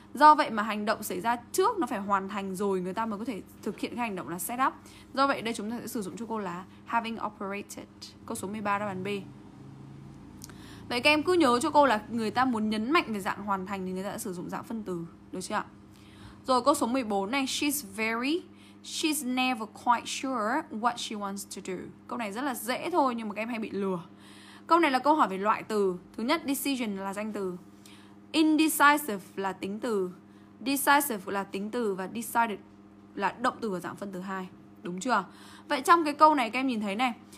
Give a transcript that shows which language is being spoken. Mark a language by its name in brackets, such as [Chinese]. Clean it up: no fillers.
[Vietnamese] Do vậy mà hành động xảy ra trước, nó phải hoàn thành rồi người ta mới có thể thực hiện cái hành động là set up. Do vậy đây chúng ta sẽ sử dụng cho cô là having operated. Câu số 13 đáp án B. Vậy các em cứ nhớ cho cô là người ta muốn nhấn mạnh về dạng hoàn thành thì người ta sẽ sử dụng dạng phân từ, được chưa ạ? Rồi câu số 14 này. [English] She's never quite sure what she wants to do. [Vietnamese] Câu này rất là dễ thôi nhưng mà các em hay bị lừa. Câu này là câu hỏi về loại từ. Thứ nhất, decision là danh từ. Indecisive là tính từ. Decisive là tính từ. Và decided là động từ ở dạng phân từ 2. Đúng chưa? Vậy trong cái câu này các em nhìn thấy này,